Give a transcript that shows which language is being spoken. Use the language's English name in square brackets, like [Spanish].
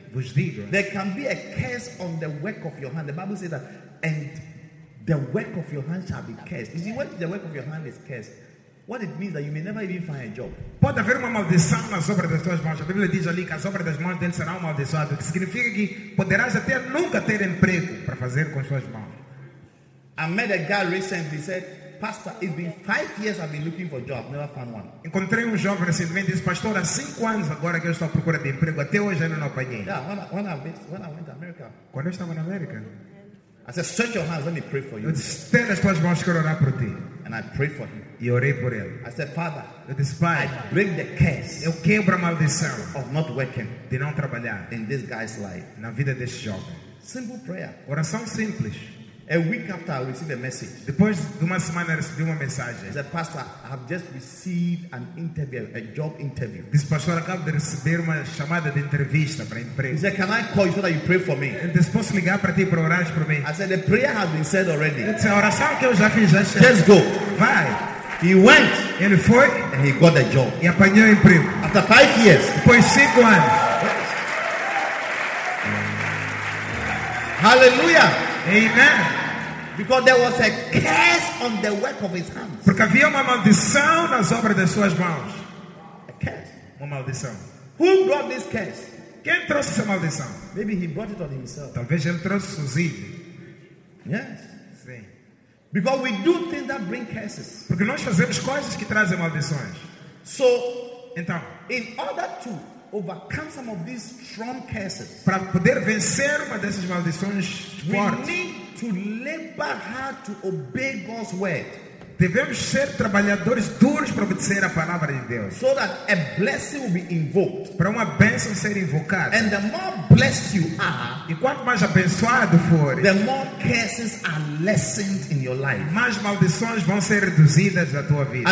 [Portuguese] Vos digo. [English] There can be a curse on the work of your hand. The Bible says that, and the work of your hand shall be cursed. You see, when the work of your hand is cursed, what it means that you may never even find a job. [Portuguese] Pode haver uma maldição nas obras das tuas mãos. A Bíblia diz ali que as obras das mãos dele serão amaldiçoadas. O que significa que poderás até nunca ter emprego para fazer com as tuas mãos. [English] I met a guy recently. He said, Pastor, it's been 5 years I've been looking for a job, never found one. [Portuguese] Encontrei jovem recentemente, disse, pastor, há 5 anos agora que eu estou à procura de emprego, até hoje ainda não apanhei. [English] Yeah, when I went to America. [Portuguese] Quando eu estava na América. [English] I said, stretch your hands, let me pray for you. [Portuguese] Eu disse, tenha as tuas mãos, quero orar por ti. [English] And I prayed for him. [Portuguese] E orei por ele. [English] I said, Father, [Portuguese] eu disse, Pai, [English] I break the curse. [Portuguese] Eu quebro a maldição [English] of not working, [Portuguese] de não trabalhar, [English] in this guy's life, [Portuguese] na vida deste jovem. [English] Simple prayer. [Portuguese] Oração simples. [English] A week after I received a message. [Portuguese] Depois de uma semana eu recebi uma mensagem. [English] He said, Pastor, I have just received an interview, a job interview. [Portuguese] Disse, pastor, acabo de receber uma chamada de entrevista para emprego. [English] He said, can I call you so that you pray for me? [Portuguese] Disse, posso ligar para ti para orar por mim? [English] I said, the prayer has been said already. [Portuguese] Disse, a oração que eu já fiz já chegou. [English] Just go. [Portuguese] Vai. [English] He went. [Portuguese] Ele foi. [English] And he got a job. [Portuguese] E apanhou emprego. [English] After 5 years. [Portuguese] Depois de 5 anos. [English] Hallelujah. [Portuguese] Amen. [English] Because there was a curse on the work of his hands. [Portuguese] Porque havia uma maldição nas obras das suas mãos. [English] A curse. [Portuguese] Uma maldição. [English] Who brought this curse? [Portuguese] Quem trouxe essa maldição? [English] Maybe he brought it on himself. [Portuguese] Talvez ele trouxe sozinho. [English] Yes. [Portuguese] Sim. [English] Because we do things that bring curses. [Portuguese] Porque nós fazemos coisas que trazem maldições. [English] So, [Portuguese] então, [English] in order to overcome some of these strong curses, [Portuguese] para poder vencer uma dessas maldições fortes, [English] we need to labor hard to obey God's word. [Portuguese] Devemos ser trabalhadores duros para obedecer a palavra de Deus. [English] So that a blessing will be invoked. [Portuguese] Para uma bênção ser invocada. [English] And the more blessed you are, [Portuguese] e quanto mais abençoado for, [English] the more curses are lessened in your life. [Portuguese] Mais maldições vão ser reduzidas na tua vida.